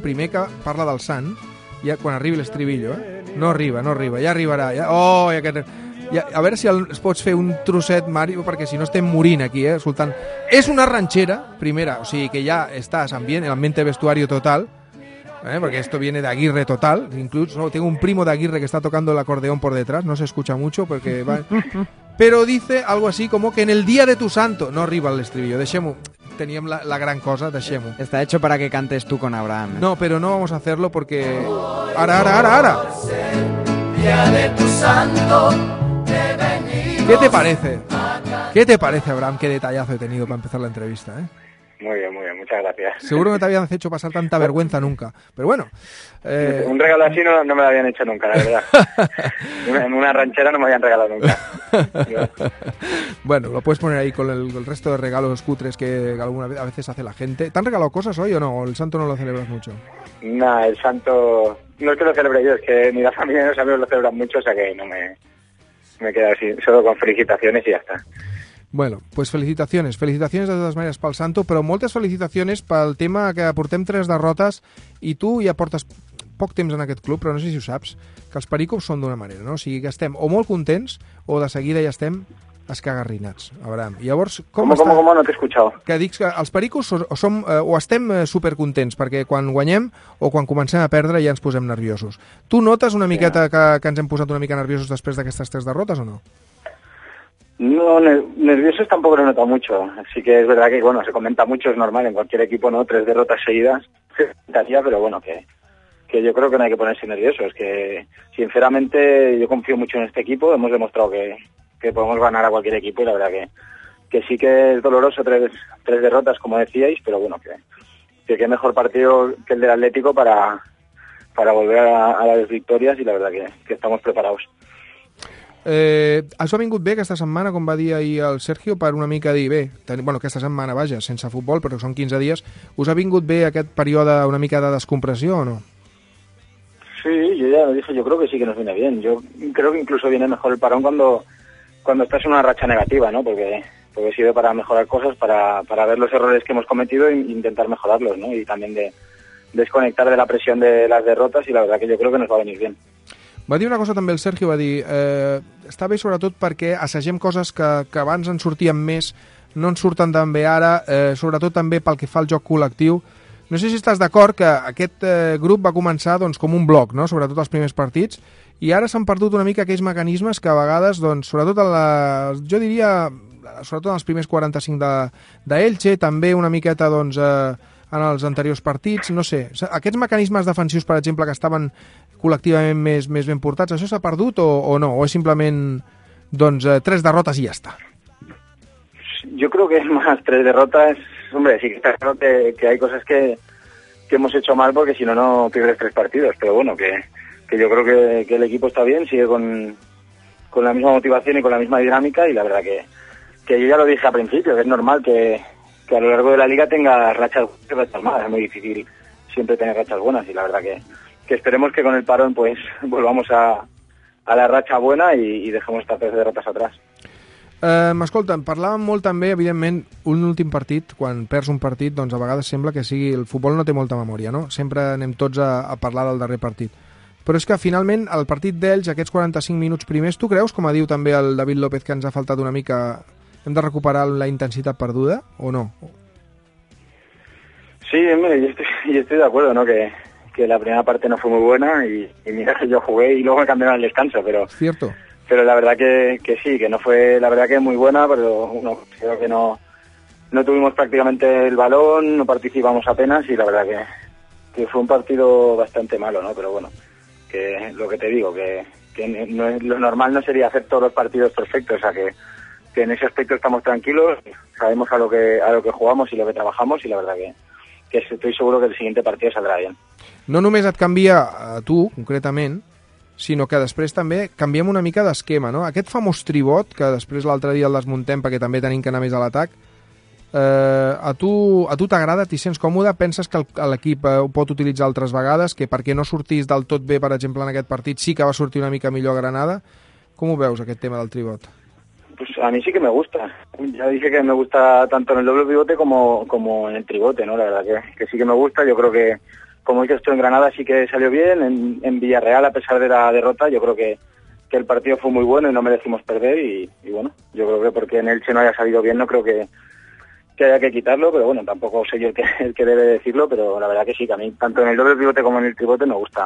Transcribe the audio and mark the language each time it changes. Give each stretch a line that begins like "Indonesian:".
Catalan: Primer, que parla del sant, ja, quan arribi l'estribillo, eh? No arriba. Ja arribarà. Ja... Oh, i aquest... A veure si es pots fer un trosset, Mario, perquè si no estem morint aquí, eh? Escoltant. És una ranxera, primera, o sigui que ja estàs ambient,
Spanish: en ambiente vestuario total,
Catalan: eh?
Spanish: Perquè esto viene de Aguirre total, inclús, no, tengo un primo de Aguirre que está tocando el acordeón por detrás, no se escucha mucho, porque va... Pero dice algo así como que en el día de tu santo...
Catalan: No arriba el estribillo, deixem-ho. Teníem la gran cosa, deixem-ho.
Spanish: Está hecho para que cantes tú con Abraham. No, pero no vamos a hacerlo porque...
Catalan: Ara.
Spanish: Día de tu santo... ¿Qué te parece? ¿Qué te parece, Abraham? Qué detallazo he tenido para empezar la entrevista, ¿eh? muy bien, muchas gracias. Seguro que no te habían hecho pasar tanta vergüenza nunca, pero bueno. Un regalo así no me lo habían hecho nunca, la verdad. En una ranchera no me habían regalado nunca. Bueno, lo puedes poner ahí con el resto de regalos cutres que alguna vez a veces hace la gente. ¿Te han regalado cosas hoy o no? ¿O el santo no lo celebras mucho? No, el santo... No es que lo celebre yo, es que ni la familia ni los amigos lo celebran mucho, o sea que no me queda así, solo con felicitaciones y ya está.
Catalan: Bueno, pues felicitaciones de totes maneres pel Santo, però moltes felicitacions pel tema que portem tres derrotes i tu ja portes poc temps en aquest club, però no sé si ho saps, que els pericops són d'una manera, no? O sigui, que estem o molt contents o de seguida ja estem escagarrinats, Abraham. Llavors, com no t'he
Spanish: escuchado?
Catalan: Que dic que els pericops o estem supercontents, perquè quan guanyem o quan comencem a perdre ja ens posem nerviosos. Tu notes una miqueta que ens hem posat una mica nerviosos després d'aquestes tres derrotes o no?
Spanish: No, nerviosos tampoco lo noto mucho, así que es verdad que, bueno, se comenta mucho, es normal, en cualquier equipo, ¿no? Tres derrotas seguidas, pero bueno, que yo creo que no hay que ponerse nervioso, es que, sinceramente, yo confío mucho en este equipo, hemos demostrado que podemos ganar a cualquier equipo y la verdad que sí que es doloroso tres derrotas, como decíais, pero bueno, que qué mejor partido que el del Atlético para volver a las victorias y la verdad que estamos preparados.
Catalan: Això ha vingut bé aquesta setmana, com va dir ahir el Sergio, per una mica dir, bé, bueno, aquesta setmana, vaja, sense futbol, però són 15 dies, us ha vingut bé aquest període una mica de descompressió o no?
Spanish: Sí, yo ya lo dije, yo creo que sí que nos viene bien. Yo creo que incluso viene mejor el parón cuando estás en una racha negativa, ¿no? Porque sirve para mejorar cosas, para ver los errores que hemos cometido e intentar mejorarlos, ¿no? Y también de desconectar de la presión de las derrotas y la verdad que yo creo que nos va a venir bien.
Catalan: Va dir una cosa també el Sergio, va dir, està bé sobretot perquè assagem coses que abans en sortien més, no en surten tan bé ara, sobretot també pel que fa al joc col·lectiu. No sé si estàs d'acord que aquest grup va començar doncs, com un bloc, no? Sobretot els primers partits, i ara s'han perdut una mica aquells mecanismes que a vegades, doncs, sobretot en jo diria, sobretot en els primers 45 d'Elche, també una miqueta, doncs, en els anteriors partits, no sé. Aquests mecanismes defensius, per exemple, que estaven col·lectivament més ben portats, això s'ha perdut o no? O és simplement doncs, tres derrotes i ja està?
Spanish: Yo creo que es más tres derrotas. Hombre, sí que está claro que hay cosas que hemos hecho mal porque si no, no pierdes tres partidos. Pero bueno, que yo creo que el equipo está bien, sigue con la misma motivación y con la misma dinámica y la verdad que yo ya lo dije al principio, que es normal que a lo largo de la liga tenga rachas malas. Es muy difícil siempre tener rachas buenas y la verdad que esperemos que con el parón pues volvamos a la racha buena y dejemos estas derrotas atrás.
Catalan: Escolta, parlàvem molt també, evidentment, un últim partit, quan perds un partit, doncs a vegades sembla que sigui... El futbol no té molta memòria, no? Sempre anem tots a parlar del darrer partit. Però és que finalment el partit d'ells, aquests 45 minuts primers, tu creus, com ha dit també el David López, que ens ha faltat una mica... Hem de recuperar la intensitat perduda, o no?
Spanish: Sí, yo estoy de acuerdo, ¿no? Que la primera parte no fue muy buena y mira que yo jugué y luego me cambiaron el descanso, pero... Cierto. Pero la verdad que sí, que no fue la verdad que muy buena, pero uno creo que no tuvimos prácticamente el balón, no participamos apenas y la verdad que fue un partido bastante malo, ¿no? Pero bueno, que lo que te digo, que no es, lo normal no sería hacer todos los partidos perfectos, o sea que en ese aspecto estamos tranquilos, sabemos a lo que jugamos y lo que trabajamos y la verdad que estoy seguro que el siguiente partido saldrá bien.
Catalan: No només et canvia a tu, concretament, sinó que després també canviem una mica d'esquema, no? Aquest famós tribot, que després l'altre dia el desmuntem perquè també tenim que anar més a l'atac, a tu t'agrada, t'hi sents còmode? Penses que l'equip ho pot utilitzar altres vegades? Que perquè no sortís del tot bé, per exemple, en aquest partit, sí que va sortir una mica millor a Granada? Com ho veus, aquest tema del tribot?
Spanish: Pues a mí sí que me gusta. Ya dije que me gusta tanto en el doble pivote como en el tribote, ¿no? La verdad que sí que me gusta. Yo creo que como he dicho, en Granada sí que salió bien, en Villarreal, a pesar de la derrota, yo creo que el partido fue muy bueno y no merecimos perder. Y bueno, yo creo que porque en Elche no haya salido bien, no creo que haya que quitarlo, pero bueno, tampoco sé yo el que debe decirlo, pero la verdad que sí, que a mí, tanto en el doble pivote como en el tribote, me gusta.